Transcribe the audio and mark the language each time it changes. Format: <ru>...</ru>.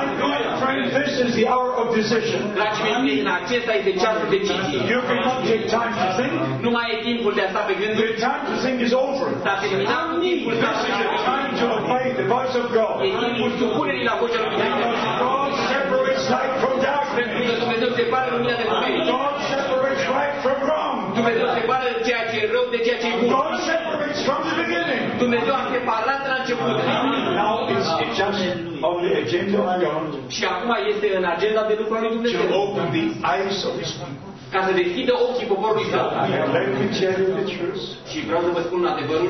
<en>My friend, this is the hour of decision.</en> <ro>Dragii mei, în acesta este ceasul decisiv.</ro> <en>You cannot take time to think.</en> <ro>Nu mai e timpul de a sta pe gânduri.</ro> <en>The time to think is over.</en> <ro>S-a terminat.</ro> <en>This is the time to obey the voice of God. Because God separates light from darkness. God separates right from wrong. God separates from the beginning. Now it's just on the agenda of God.</en> <ro>Și acum este în agenda de lucru al lui Dumnezeu.</ro> <en>To open the eyes of his people.</en> <ro>Ca să deschidă ochii poporului Israel. Și vreau să vă spun adevărul.</ro>